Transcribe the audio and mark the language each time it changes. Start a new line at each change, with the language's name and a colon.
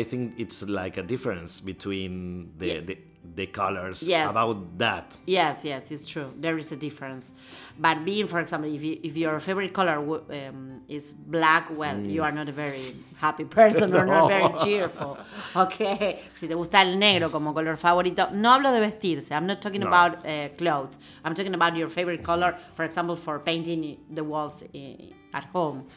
English: I think it's like a difference between the colors about that. Yes, yes, it's true. There is a difference. But being, for example, if your favorite color is black, well, you are not a very happy person or not very cheerful. Okay.
Spanish: Si te gusta el negro como color favorito, no hablo de vestirse.
English: I'm not talking about clothes. I'm talking about your favorite color, for example, for painting the walls at home.